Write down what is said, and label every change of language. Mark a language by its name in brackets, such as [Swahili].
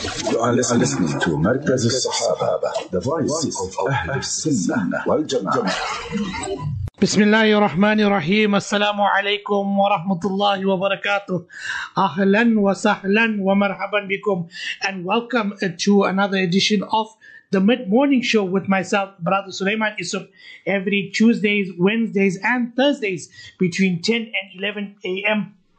[English] You are listening to Merkaz al-Sahaba, the voice of Ahl al-Sunnah wal-Jama'ah. [Arabic] بسم الله الرحمن الرحيم. السلام عليكم ورحمة الله وبركاته. أهلا وسهلا ومرحبا بكم, [English] and welcome to another edition of the mid-morning show with myself, Brother Sulaiman Isuf, every Tuesdays, Wednesdays and Thursdays between 10 and 11 a.m.